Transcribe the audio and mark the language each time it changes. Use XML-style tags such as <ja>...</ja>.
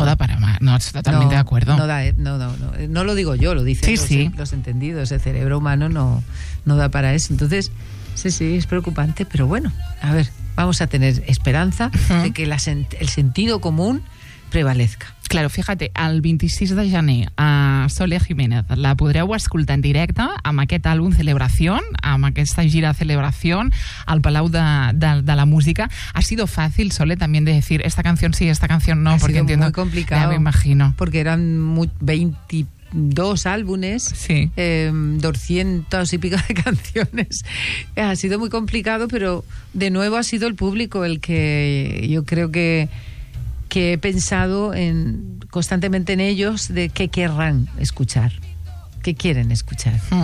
<es>No da para más. No, estoy totalmente de acuerdo. No lo digo yo, lo dicen los entendidos. El cerebro humano no da para eso. Entonces, sí, es preocupante, pero bueno, a ver, vamos a tener esperanza de que el sentido común prevalezca. Claro, fíjate,</es> <ca>el 26 de gener a Sole Jiménez la podreu escoltar en directe amb aquest àlbum Celebración, amb aquesta gira Celebración al Palau de la Música.</ca> <es>Ha sido fácil, Sole, también de decir esta canción sí, esta canción no, ha porque sido entiendo. Muy complicado. Ya me imagino. Porque eran 22 álbumes, sí. 200 y pico de canciones. Ha sido muy complicado, pero de nuevo ha sido el público el que yo creo que he pensado en constantemente en ellos, de qué querrán escuchar, qué quieren escuchar.</es>